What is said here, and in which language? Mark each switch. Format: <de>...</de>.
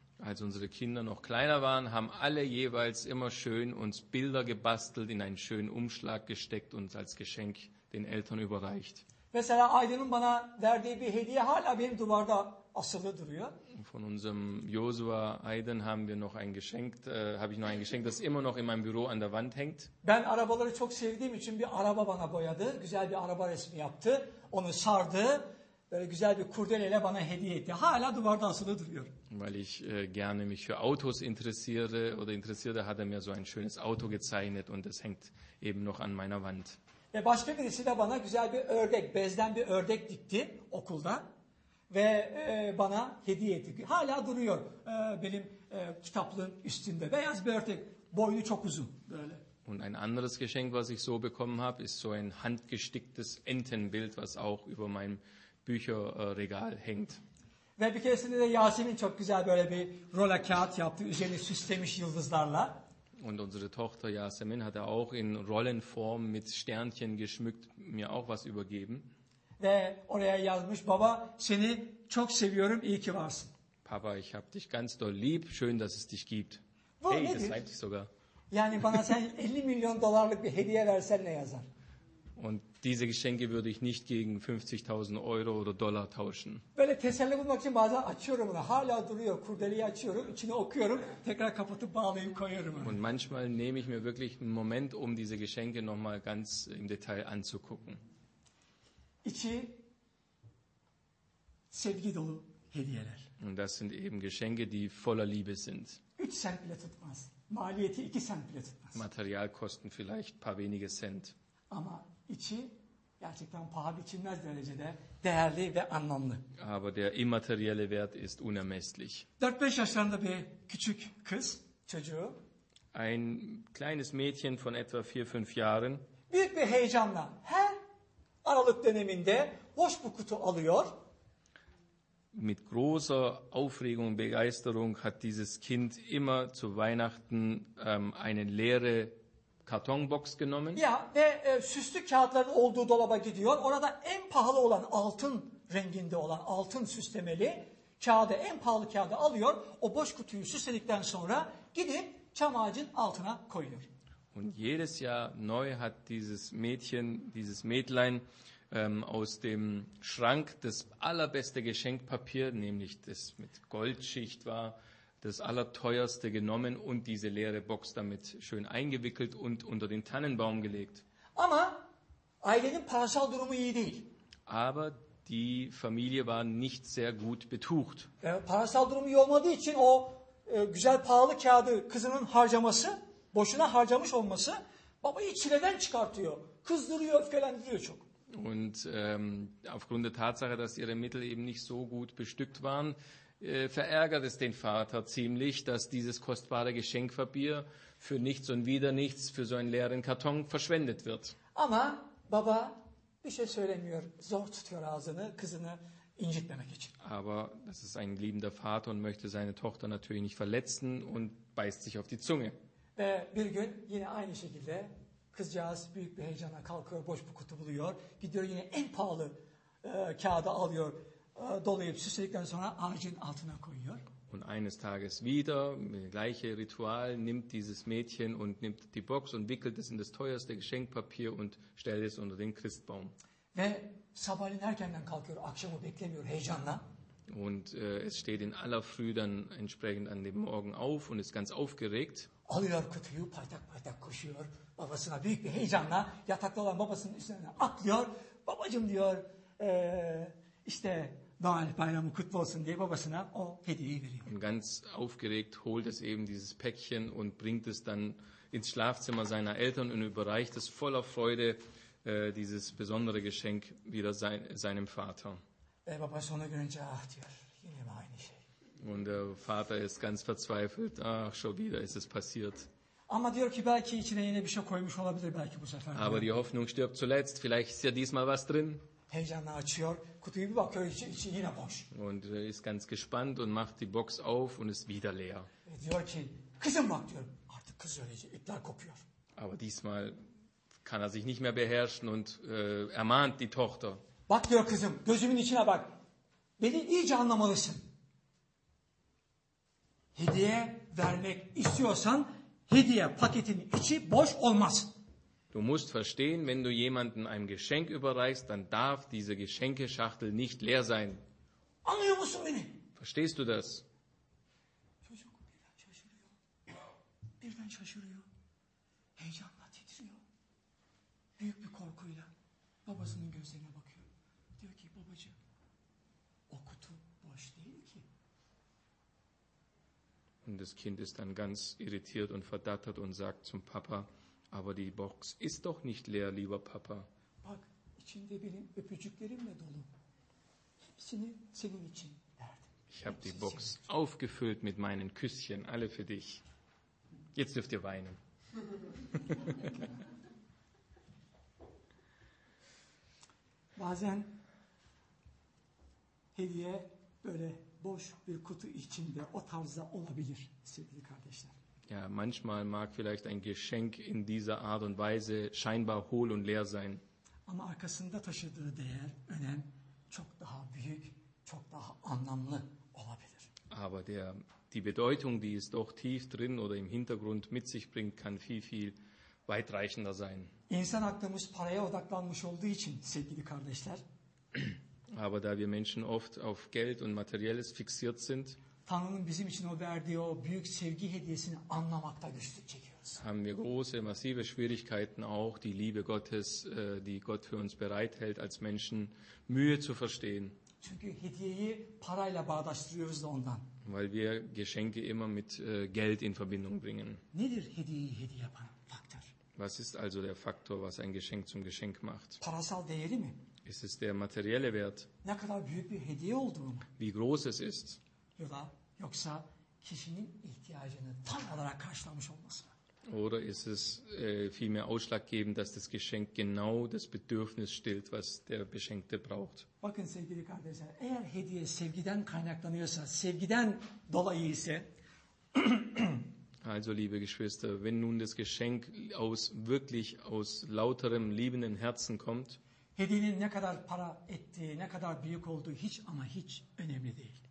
<de>Als unsere Kinder noch kleiner waren, haben alle jeweils immer schön uns Bilder gebastelt, in einen schönen Umschlag gesteckt und als Geschenk den Eltern überreicht.</de> <tr>Mesela Aydın'ın bana verdiği bir hediye hala benim duvarda asılı duruyor.</tr> <de>Von unserem Joshua Aydın haben wir noch ein Geschenk, habe ich noch ein Geschenk, das immer noch in meinem Büro an der Wand hängt.</de> <tr>Ben arabaları çok sevdiğim için bir araba bana boyadı, güzel bir araba resmi yaptı, onu sardı, böyle güzel bir kurdeleyle bana hediye etti. Hala duvarda asılı duruyor.</tr> <de>Weil ich gerne mich für Autos interessiere oder interessierte, hat mir so ein schönes Auto gezeichnet und das hängt eben noch an meiner Wand.</de> <tr>Ve başka birisi de bana güzel bir ördek, bezden bir ördek dikti okulda ve bana hediye etti. Hala duruyor benim kitaplığın üstünde. Beyaz bir ördek, boynu çok uzun böyle.</tr> <de>Und ein anderes Geschenk, was ich so bekommen habe, ist so ein handgesticktes Entenbild, was auch über meinem Bücherregal hängt.</de> <tr>Ve bir keresinde de Yasemin çok güzel böyle bir rola kağıt yaptı, üzerine süslemiş yıldızlarla.</tr> <de>Und unsere Tochter Yasemin hat auch in Rollenform mit Sternchen geschmückt mir auch was übergeben.</de> <tr>Ve oraya yazmış, Baba, seni çok seviyorum, iyi ki varsın.</tr> <de>Papa, ich hab dich ganz doll lieb, schön, dass es dich gibt.</de> <tr>Bu hey, nedir?</tr> <de>Das reimt sich sogar.</de> <tr>Yani bana sen 50 milyon dolarlık bir hediye versen ne yazar?</tr> <de>Und diese Geschenke würde ich nicht gegen 50.000 Euro oder Dollar tauschen.</de> <tr>Böyle teselli bulmak için bazen açıyorum onu. Hala duruyor. Kurdeleyi açıyorum. İçini okuyorum. Tekrar kapatıp bağlayıp koyuyorum.</tr> <de>Und manchmal nehme ich mir wirklich einen Moment, um diese Geschenke nochmal ganz im Detail anzugucken.</de> <tr>İçi sevgi dolu hediyeler.</tr> <de>Und das sind eben Geschenke, die voller Liebe sind.</de> <tr>3 cent bile tutmaz. Maliyeti 2 cent bile tutmaz.</tr> <de>Materialkosten vielleicht paar wenige Cent.</de> <tr>Ama içi gerçekten paha biçilmez derecede değerli ve anlamlı.</tr> <de>Aber der immaterielle Wert ist unermesslich.</de> <tr>4-5 yaşlarında bir küçük kız, çocuğu.</tr> <de>Ein kleines Mädchen von etwa 4-5 Jahren.</de> <tr>Büyük bir heyecanla her Aralık döneminde hoş bu kutu alıyor.</tr> <de>Mit großer Aufregung und Begeisterung hat dieses Kind immer zu Weihnachten eine leere Kartonbox genommen.</de> <tr>Ya ve süslü kağıtların olduğu dolaba gidiyor. Orada en pahalı olan altın renginde olan altın süslemeli kağıdı, en pahalı kağıdı alıyor. O boş kutuyu süsledikten sonra gidip çam ağacın altına koyuyor.</tr> <de>Und jedes Jahr neu hat dieses Mädchen, dieses Mädlein aus dem Schrank das allerbeste Geschenkpapier, nämlich das mit Goldschicht war, das allerteuerste genommen und diese leere Box damit schön eingewickelt und unter den Tannenbaum gelegt.</de> <tr>Ama ailenin parasal durumu iyi değil.</tr> <de>Aber die Familie war nicht sehr gut betucht.</de> <tr>Parasal durumu iyi olmadığı için o güzel pahalı kağıdı kızının harcaması, boşuna harcamış olması babayı çileden çıkartıyor. Kızdırıyor, öfkelendiriyor çok.</tr> <de>Und aufgrund der Tatsache, dass ihre Mittel eben nicht so gut bestückt waren, verärgert es den Vater ziemlich, dass dieses kostbare Geschenkpapier für nichts und wieder nichts für so einen leeren Karton verschwendet wird.</de> <tr>Ama baba bir şey söylemiyor. Zor tutuyor ağzını kızını incitmemek için.</tr> <de>Aber das ist ein liebender Vater und möchte seine Tochter natürlich nicht verletzen und beißt sich auf die Zunge.</de> <tr>Ve bir gün yine aynı şekilde kızcağız büyük bir heyecana kalkıyor, boş bir kutu buluyor. Gidiyor yine en pahalı kağıdı alıyor, dolayıp süsledikten sonra ağacın altına koyuyor.</tr> <de>Und eines Tages wieder, gleiche Ritual, nimmt dieses Mädchen und nimmt die Box und wickelt es in das teuerste Geschenkpapier und stellt es unter den Christbaum.</de> <tr>Ve sabahleyin erkenden kalkıyor, akşamı beklemiyor heyecanla.</tr> <de>Und es steht in aller Früh dann entsprechend an dem Morgen auf und ist ganz aufgeregt.</de> <tr>Alıyor kutuyu, paytak paytak koşuyor. Babasına büyük bir heyecanla yatakta olan babasının üstüne atlıyor. Babacım diyor, işte Noel bayramı kutlu olsun diye babasına o hediyeyi veriyor.</tr> <de>Und ganz aufgeregt holt es eben dieses Päckchen und bringt es dann ins Schlafzimmer seiner Eltern und überreicht es voller Freude, dieses besondere Geschenk wieder seinem Vater.</de> <tr>Baba sonu görünce ah diyor. Yine mi aynı şey?</tr> <de>Und der Vater ist ganz verzweifelt. Ach, schon wieder ist es passiert.</de> <tr>Ama diyor ki belki içine yine bir şey koymuş olabilir belki bu sefer.</tr> <de>Aber die Hoffnung stirbt zuletzt. Vielleicht ist ja diesmal was drin.</de> <tr>Heyecanla açıyor. Kutuyu bir bakıyor. İçi yine boş.</tr> <de>Und ist ganz gespannt und macht die Box auf und ist wieder leer.</de> <tr>Diyor ki kızım bak diyor. Artık kız öleceği. İpler kopuyor.</tr> <de>Aber diesmal kann er sich nicht mehr beherrschen und ermahnt die Tochter.</de> <tr>Bak diyor kızım, gözümün içine bak. Beni iyice anlamalısın. Hediye vermek istiyorsan hediye paketinin içi boş olmaz.</tr> <de>Du musst verstehen, wenn du jemanden ein Geschenk überreichst, dann darf diese Geschenkeschachtel nicht leer sein.</de> <tr>Anlıyor musun beni?</tr> <de>Verstehst du das?</de> <tr>Çocuk birden şaşırıyor. Birden şaşırıyor. Heyecanla titriyor. Büyük bir korkuyla babasının gözlerine bakıyor. Diyor ki babacığım, o kutu boş değil ki.</tr> <de>Und das Kind ist dann ganz irritiert und verdattert und sagt zum Papa, aber die Box ist doch nicht leer, lieber Papa.</de> <tr>Bak, içinde benim öpücüklerimle dolu. Hepsini senin için verdim.</tr> <de>Ich habe die Box aufgefüllt mit meinen Küsschen, alle für dich. Jetzt dürft ihr weinen.</de> <tr>Bazen hediye böyle boş bir kutu içinde o tarzda olabilir sevgili kardeşler.</tr> <de>Ja, manchmal mag vielleicht ein Geschenk in dieser Art und Weise scheinbar hohl und leer sein.</de> <tr>Ama arkasında taşıdığı değer, önem çok daha büyük, çok daha anlamlı olabilir.</tr> <de>Aber die Bedeutung, die es doch tief drin oder im Hintergrund mit sich bringt, kann viel, viel weitreichender sein.</de> <tr>İnsan aklımız paraya odaklanmış olduğu için, sevgili kardeşler.</tr> <de>Aber da wir Menschen oft auf Geld und Materielles fixiert sind,</de> <tr>Tanrı'nın bizim için o verdiği o büyük sevgi hediyesini anlamakta güçlük çekiyoruz.</tr> <de>Haben wir große, massive Schwierigkeiten auch, die Liebe Gottes, die Gott für uns bereithält als Menschen, Mühe zu verstehen.</de> <tr>Çünkü hediyeyi parayla bağdaştırıyoruz da ondan.</tr> <de>Weil wir Geschenke immer mit Geld in Verbindung bringen.</de> <tr>Nedir hediyeyi hediye yapan faktör?</tr> <de>Was ist also der Faktor, was ein Geschenk zum Geschenk macht?</de> <tr>Parasal değeri mi?</tr> <de>Ist es der materielle Wert?</de> <tr>Ne kadar büyük bir hediye olduğu mu?</tr> <de>Wie groß es ist?</de> <tr>Yoksa kişinin ihtiyacını tam olarak karşılamış olması mı?</tr> <de>Oder ist es vielmehr ausschlaggebend, dass das Geschenk genau das Bedürfnis stillt, was der Beschenkte braucht?</de> <tr>Bakın sevgili kardeşler, eğer hediye sevgiden kaynaklanıyorsa, sevgiden dolayı ise</tr> <de>Also liebe Geschwister, wenn nun das Geschenk aus lauterem liebenden Herzen kommt,</de> <tr>hediyenin ne kadar para ettiği, ne kadar büyük olduğu hiç ama hiç önemli değil.</tr>